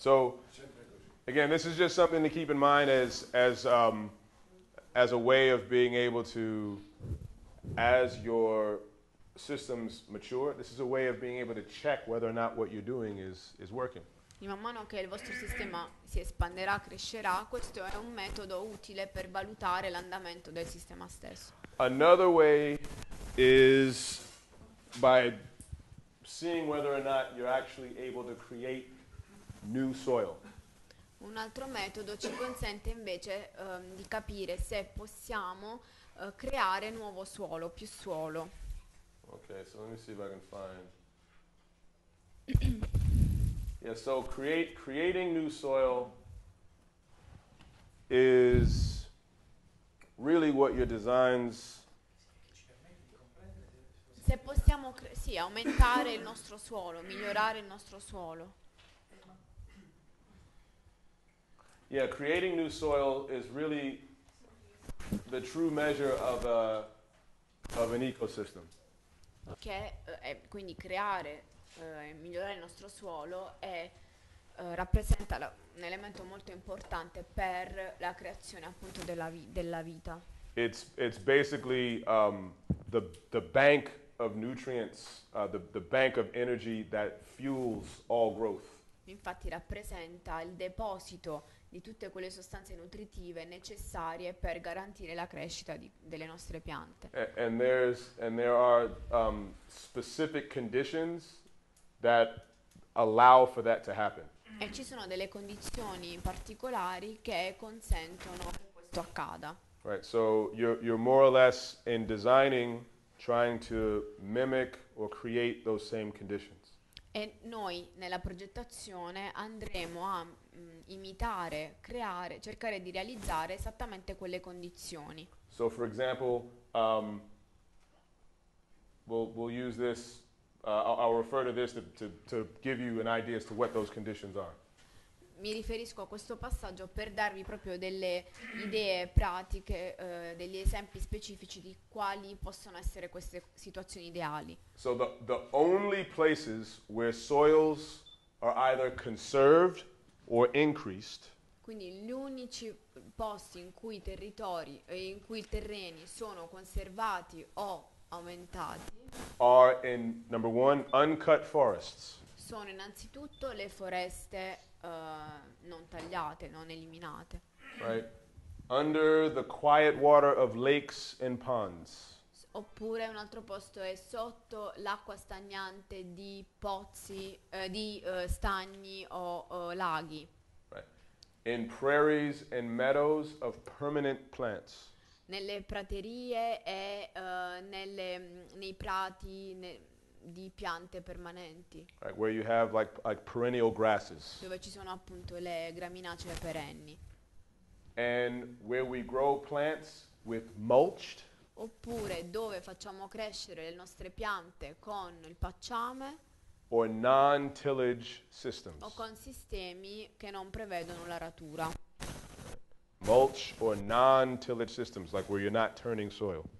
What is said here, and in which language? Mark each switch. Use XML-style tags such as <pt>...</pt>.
<en>So again, this is just something to keep in mind as a way of being able to as your systems mature, this is a way of being able to check whether or not what you're doing is working.</en> <it>Man mano che il vostro sistema si espanderà, crescerà, questo è un metodo utile per valutare l'andamento del sistema stesso.</it> <en>Another way is by seeing whether or not you're actually able to create new soil.</en> <it>Un altro metodo ci consente invece di capire se possiamo creare nuovo suolo, più suolo.</it> <en>Okay, so let me see if I can find. Yeah, so creating new soil is really what your designs.</en> <it>Se possiamo aumentare il nostro suolo, migliorare il nostro suolo.</it> <en>Yeah, creating new soil is really the true measure of an ecosystem.</en> <it>Che quindi creare e migliorare il nostro suolo è rappresenta un elemento molto importante per la creazione appunto della vita.</it> <en>It's basically the bank of nutrients, the bank of energy that fuels all growth.</en> <it>Infatti rappresenta il deposito di tutte quelle sostanze nutritive necessarie per garantire la crescita delle nostre piante.</it> <en>And there are specific conditions that allow for that to happen.</en> <it>E ci sono delle condizioni particolari che consentono che questo accada.</it> <en>Right, so you're more or less in designing trying to mimic or create those same conditions.</en> <it>E noi nella progettazione andremo a imitare, creare, cercare di realizzare esattamente quelle condizioni.</it> <en>So for example, we'll use this, I'll refer to this to give you an idea as to what those conditions are.</en> <it>Mi riferisco a questo passaggio per darvi proprio delle idee pratiche, degli esempi specifici di quali possono essere queste situazioni ideali.</it> <en>So the only places where soils are either conserved or increased.</en> <it>Quindi gli unici posti in cui i territori e in cui i terreni sono conservati o aumentati</it> <en>are in number one uncut forests.</en> <it>Sono innanzitutto le foreste non tagliate, non eliminate.</it> <en>Right. Under the quiet water of lakes and ponds.</en> <it>Oppure un altro posto è sotto l'acqua stagnante di pozzi, stagni o laghi.</it> <en>Right. In prairies and meadows of permanent plants.</en> <it>Nelle praterie e nei prati di piante permanenti.</it> <en>Right, where you have like perennial grasses.</en> <it>Dove ci sono appunto le graminacee perenni.</it> <en>And where we grow plants with mulched.</en> <it>Oppure dove facciamo crescere le nostre piante con il pacciame.</it> <en>Or non-tillage systems.</en> <it>O con sistemi che non prevedono l'aratura.</it> <en>Mulch or non-tillage systems, like where you're not turning soil.</en>